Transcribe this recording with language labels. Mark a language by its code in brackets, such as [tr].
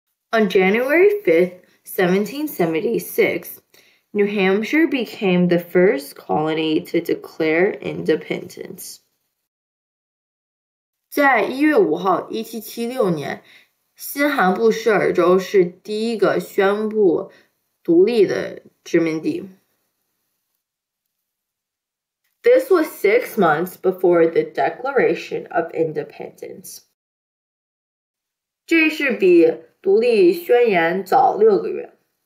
[en] On January 5th, 1776, New Hampshire became the first colony to declare independence. [zh] 在1月5号,1776年, 新罕布什尔州是第一个宣布独立的殖民地. [en] This was 6 months before the Declaration of Independence. [zh] 这是比 独立宣言早6个月.